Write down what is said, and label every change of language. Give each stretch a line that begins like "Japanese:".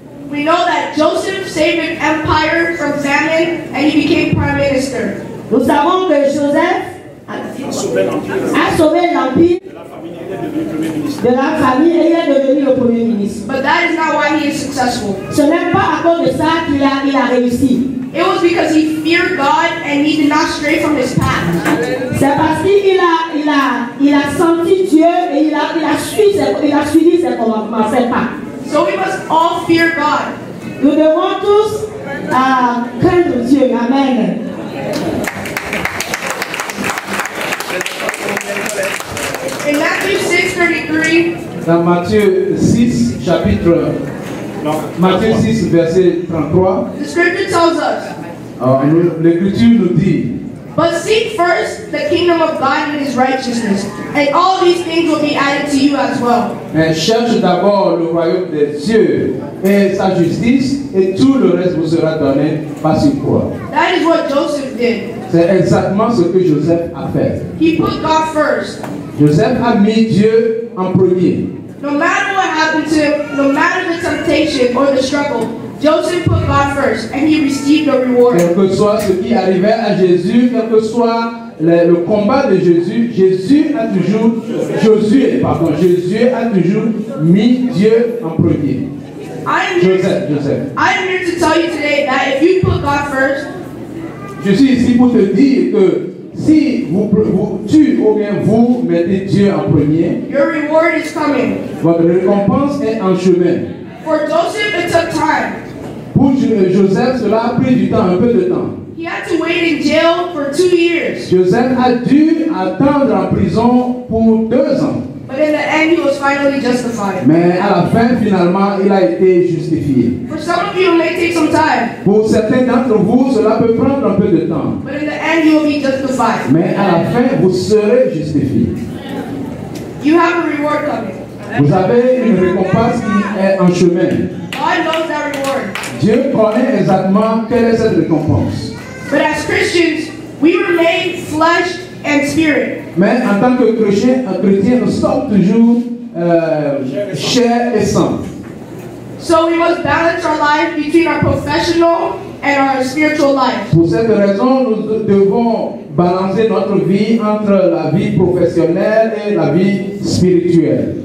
English: We know that Joseph saved an empire from famine and he became prime minister.
French: Nous savons que Joseph a sauvé l'empire de la famine et il est devenu le premier ministre.
English: But that is not why he is successful.
French: Ce n'est pas à cause de ça qu'il a réussi.
English: It was because he feared God and he did not stray from his path.
French: C'est parce qu'il a senti Dieu et il a suivi ses commandements, ses pas.
English: So we must all fear God.
French: Nous devons tous craindre Dieu. Amen.
English: In Matthew 6:33.
French: Dans Matthieu 6, chapitre. Matthieu 6, verset 33.
English: The scripture tells us.
French: L'écriture nous dit.
English: But seek first the kingdom of God and his righteousness, and all these things will be added to you as well.
French: Mais cherche d'abord le royaume de Dieu et sa justice, et tout le reste vous sera donné par sur quoi.
English: That is what Joseph did.
French: C'est exactement ce que Joseph a fait.
English: He put God first.
French: Joseph a mis Dieu en premier.
English: No matter what happened to him, no matter the temptation or the struggle, Joseph put God first, and he received the reward.
French: Quel que soit ce qui arrivait à Jésus, quel que soit le combat de Jésus, Jésus a toujours mis Dieu en premier.
English: Joseph. I am here to tell you today that if you put God first,
French: je suis ici pour te dire que si vous mettez Dieu en premier,
English: your reward is coming.
French: Votre récompense est en chemin.
English: For Joseph, it took time.
French: Pour Joseph, cela a pris du temps, un peu de temps.
English: He had to wait in jail for 2 years.
French: Joseph a dû attendre en prison pour 2 ans.
English: But in the end, he was finally justified.
French: Mais à la fin, finalement, il a été justifié.
English: For some of you, it may take some time.
French: Pour certains d'entre vous, cela peut prendre un peu de temps.
English: But in the end, you will be justified.
French: Mais à la fin, vous serez justifié.
English: You have a reward coming.
French: Vous avez une récompense qui est en chemin.
English: God knows that reward.
French: Dieu connaît exactement quelle est cette récompense.
English: But as Christians, we remain flesh and spirit.
French: Mais en tant que chrétien, un chrétien nous sommes toujours chair et sang.
English: So we must balance our life between our professional and our spiritual life.
French: Pour cette raison, nous devons balancer notre vie entre la vie professionnelle et la vie spirituelle.